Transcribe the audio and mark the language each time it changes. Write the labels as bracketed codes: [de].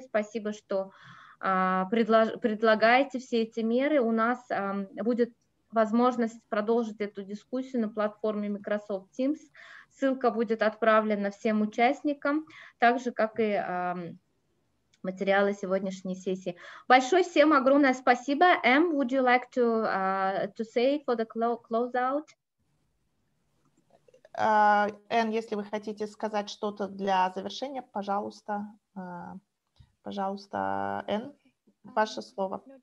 [ru] Спасибо, что предлагаете все эти меры. У нас будет возможность продолжить эту дискуссию на платформе Microsoft Teams. Ссылка будет отправлена всем участникам, так же, как и материалы сегодняшней сессии. Большое всем огромное спасибо. [en] Эм, would you like to say for the close out? [ru] Эн, если вы хотите сказать что-то для завершения, пожалуйста, пожалуйста, Эн, ваше слово.